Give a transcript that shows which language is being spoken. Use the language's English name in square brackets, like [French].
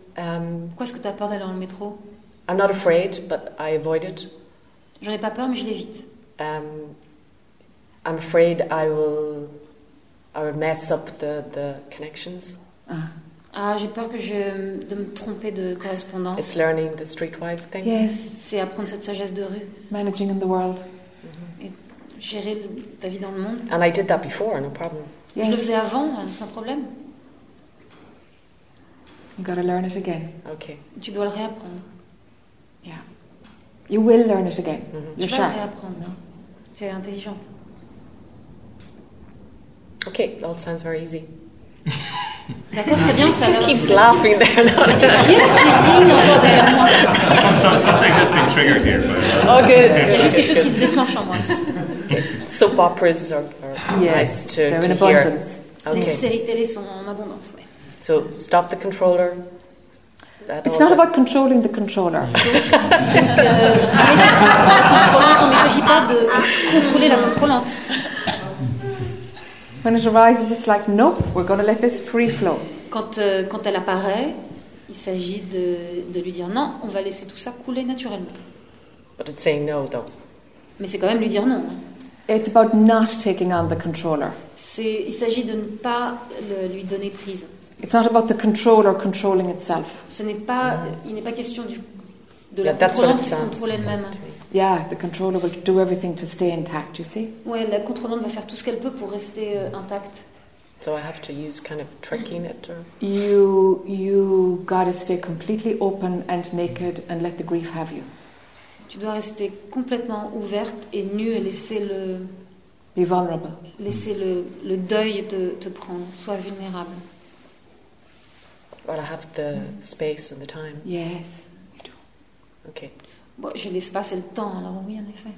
[French] Pourquoi est-ce que tu as peur d'aller dans le métro? [English] I'm not afraid, but I avoid it. [French] J'en ai pas peur, mais je l'évite. [English] I'm afraid I will mess up the connections. [French] Ah, j'ai peur que de me tromper de correspondance. [English] It's learning the streetwise things. Yes. [French] C'est apprendre cette sagesse de rue. [English] Managing in the world. [French] Mm-hmm. Et gérer ta vie dans le monde. [English] And I did that before, no problem. [French] Yes. Je le faisais avant, sans problème. [English] You got to learn it again. Okay. [French] Tu dois le réapprendre. [English] Yeah. You will learn it again. Mm-hmm. [French] Tu vas le réapprendre. No? Tu es intelligente. [English] Okay, it all sounds very easy. [French] D'accord, très bien, ça a l'air. [English] Keeps laughing there. [French] Qu'est-ce qui rit encore derrière moi? [English] Something's just been triggered here. Oh, good. [French] C'est juste quelque chose qui se déclenche en moi. [English] Soap operas are yes, nice to they're in hear. Abundance. [French] Okay. Les séries télé sont en abondance, oui. [English] So stop the controller. It's not about controlling the controller. [French] Donc, il ne s'agit pas de contrôler la contrôlante. [English] When it arises, it's like, nope, we're going to let this free flow. [French] Quand elle apparaît, il s'agit de lui dire non, on va laisser tout ça couler naturellement. [English] But it's saying no, though. [French] Mais c'est quand même lui dire non. [English] It's about not taking on the controller. [French] Il s'agit de ne pas lui donner prise. [English] It's not about the controller controlling itself. [French] Ce n'est pas, il n'est pas question de la contrôlante qui se contrôle elle-même. [English] Yeah, the controller will do everything to stay intact, you see? [French] Ouais, la contrôlante va faire tout ce qu'elle peut pour rester intacte. [English] So I have to use kind of tricking it or? You gotta stay completely open and naked and let the grief have you. [French] Tu dois rester complètement ouverte et nue et laisser [English] Be vulnerable. [French] Laissez le deuil te prendre. Sois vulnérable. [English] Well, I have the space and the time. Yes, you do. Okay. [French] Bon, j'ai l'espace et le temps, alors oui, en effet.